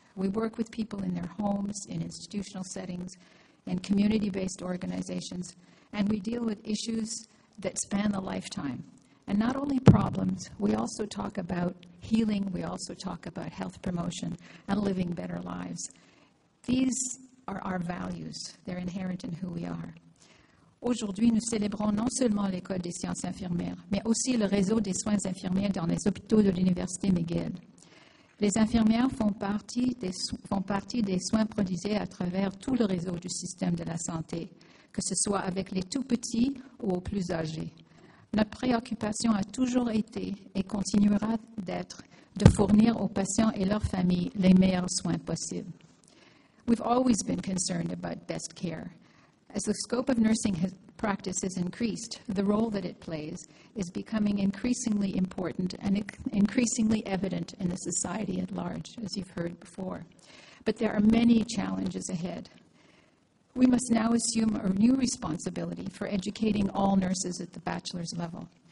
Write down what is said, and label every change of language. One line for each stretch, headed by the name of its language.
English: We work with people in their homes, in institutional settings, in community-based organizations, and we deal with issues that span the lifetime. And not only problems, we also talk about healing, we also talk about health promotion and living better lives. These are our values. They're inherent in who we are.
French: Aujourd'hui, nous célébrons non seulement l'École des sciences infirmières, mais aussi le réseau des soins infirmiers dans les hôpitaux de l'Université McGill. Les infirmières font partie des soins prodigués à travers tout le réseau du système de la santé, que ce soit avec les tout-petits ou aux plus âgés. Notre préoccupation a toujours été et continuera d'être de fournir aux patients et leurs familles les meilleurs soins possibles.
English: We've always been concerned about best care. As the scope of nursing practice has increased, the role that it plays is becoming increasingly important and increasingly evident in the society at large, as you've heard before. But there are many challenges ahead. We must now assume a new responsibility for educating all nurses at the bachelor's level.